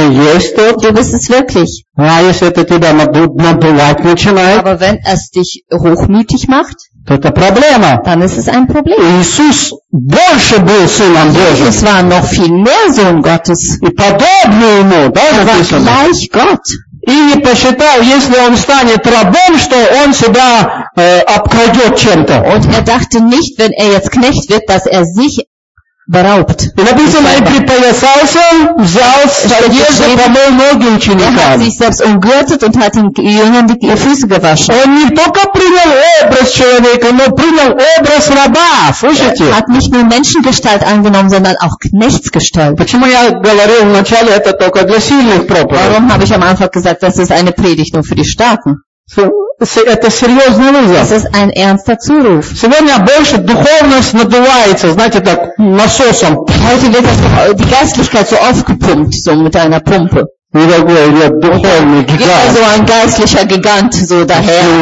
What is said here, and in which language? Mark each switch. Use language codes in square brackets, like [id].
[de] Du bist es wirklich. Aber wenn es dich hochmütig macht, dann ist es ein Problem. Jesus war noch viel mehr Sohn Gottes. Er war gleich Gott. [ru] И не посчитал, если он станет рабом, что он себя обкрадет чем-то. [de] Und er dachte nicht, wenn er jetzt Knecht wird, dass er sich beraubt. [ru] И написано, и припоясался, взял с одежды, помыл ноги ученикам. [de] Er hat sich selbst umgürtet und hat den Jüngern die Füße gewaschen. [ru] Он не только принял образ человека, но принял образ раба. Слышите? [de] Hat nicht nur Menschengestalt angenommen, sondern auch Knechtsgestalt. [ru] Почему я говорил вначале, это только для сильных проповедей? [de] Warum habe ich am Anfang gesagt, das ist eine Predigt nur für die Starken? [ru] Это серьезный вызов. [de] Das ist ein ernster Zuruf. [ru] Сегодня больше духовность надувается, знаете, так насосом. [de] Heute wird das, die Geistlichkeit so aufgepumpt, so mit einer Pumpe. So ein geistlicher Gigant so daher.